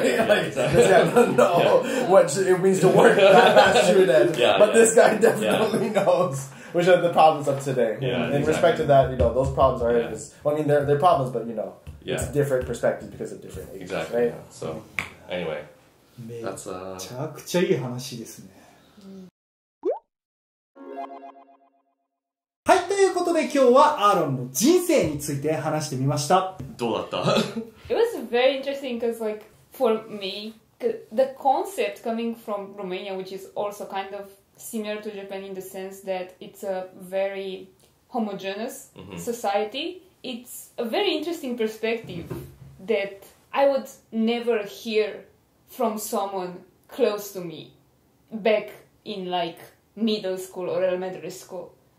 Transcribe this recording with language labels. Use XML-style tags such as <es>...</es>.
<en>It means to work past shuden. This guy definitely knows, which are the problems of today. Respect to that, you know, those problems are they're problems, but you know, it's different perspectives because of different ages, right? So anyway,</en> <ja>めちゃくちゃいい話ですね。はい、ということで今日はアーロンの人生について話してみました。どうだった？</ja> <en>It was very interesting because like for me the concept coming from Romania, which is also kind of similar to Japan in the sense that it's a very homogeneous society, it's a very interesting perspective that I would never hearfrom someone close to me back in like middle school or elementary school.</en>